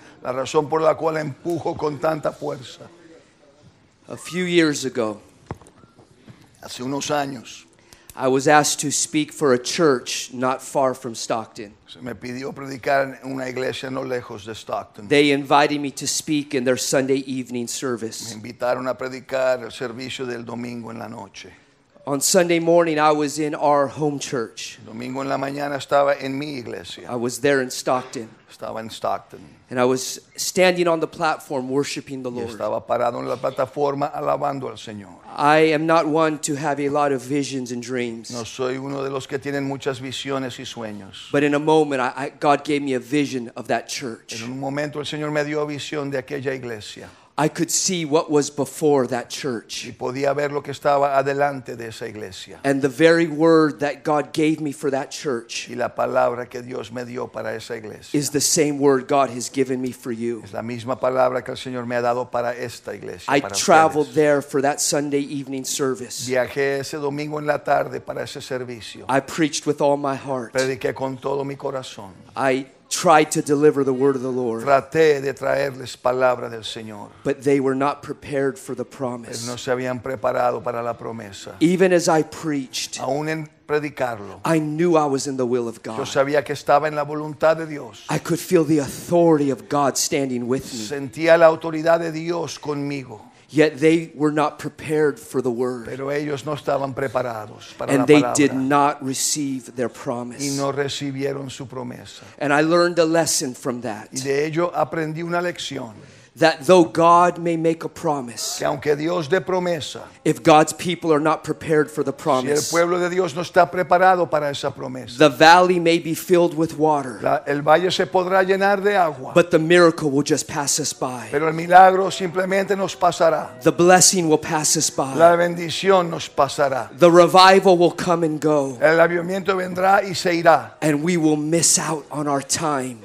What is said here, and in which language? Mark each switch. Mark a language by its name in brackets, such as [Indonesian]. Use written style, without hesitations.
[Spanish] La razón por la cual empujo con tanta fuerza. [English] A few years ago, [Spanish] hace unos años, [English] I was asked to speak for a church not far from Stockton. [Spanish] Se me pidió predicar en una iglesia no lejos de Stockton. [English] They invited me to speak in their Sunday evening service. [Spanish] Me invitaron a predicar el servicio del domingo en la noche. [English] On Sunday morning, I was in our home church. [Spanish] Domingo en la mañana estaba en mi iglesia. [English] I was there in Stockton. [Spanish] Estaba en Stockton. [English] And I was standing on the platform worshiping the Lord. [Spanish] Estaba parado en la plataforma alabando al Señor. [English] I am not one to have a lot of visions and dreams. [Spanish] No soy uno de los que tienen muchas visiones y sueños. [English] But in a moment, God gave me a vision of that church. [Spanish] En un momento el Señor me dio visión de aquella iglesia. [English] I could see what was before that church. [Spanish] Y podía ver lo que estaba adelante de esa iglesia. [English] And the very word that God gave me for that church. [Spanish] Y la palabra que Dios me dio para esa iglesia. [English] Is the same word God has given me for you. [Spanish] Es la misma palabra que el Señor me ha dado para esta iglesia. [English] I traveled there for that Sunday evening service. [Spanish] Viajé ese domingo en la tarde para ese servicio. [English] I preached with all my heart. [Spanish] Prediqué con todo mi corazón. [English] I tried to deliver the word of the Lord. [Spanish] Traté de traerles palabra del Señor. [English] But they were not prepared for the promise. [Spanish] Ellos no se habían preparado para la promesa. [English] Even as I preached, [Spanish] aún en predicarlo, [English] I knew I was in the will of God. [Spanish] Yo sabía que estaba en la voluntad de Dios. [English] I could feel the authority of God standing with me. [Spanish] Sentía la autoridad de Dios conmigo. [English] Yet they were not prepared for the word. [Spanish] Pero ellos no estaban preparados para la palabra. [English] And they did not receive their promise. [Spanish] Y no recibieron su promesa. [English] And I learned a lesson from that. [Spanish] Y de ello aprendí una lección. [English] That though God may make a promise, [Spanish] que aunque Dios dé promesa, [English] if God's people are not prepared for the promise, [Spanish] si el pueblo de Dios no está preparado para esa promesa, [English] the valley may be filled with water, [Spanish] el valle se podrá llenar de agua, [English] but the miracle will just pass us by. [Spanish] Pero el milagro simplemente nos pasará. [English] The blessing will pass us by. [Spanish] La bendición nos pasará. [English] The revival will come and go. [Spanish] El avivamiento vendrá y se irá. [English] And we will miss out on our time.